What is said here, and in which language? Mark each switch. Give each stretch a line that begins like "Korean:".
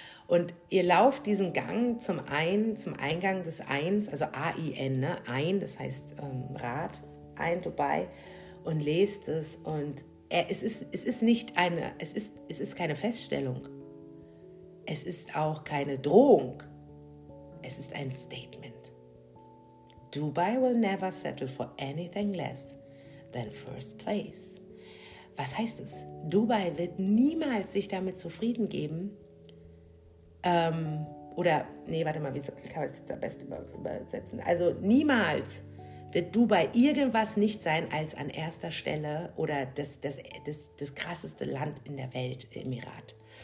German: Und ihr lauft diesen Gang zum Eingang des Eins, also A-I-N, ne? Ein, das heißt Rad, Ein Dubai, und lest es. Und es ist keine Feststellung. Es ist auch keine Drohung. Es ist ein Statement.
English: Dubai will never settle for anything less than first place.
German: Was heißt es? Dubai wird niemals sich damit zufrieden geben, wie kann man es jetzt am besten übersetzen? Also niemals wird Dubai irgendwas nicht sein als an erster Stelle oder das krasseste Land in der Welt, Emirat.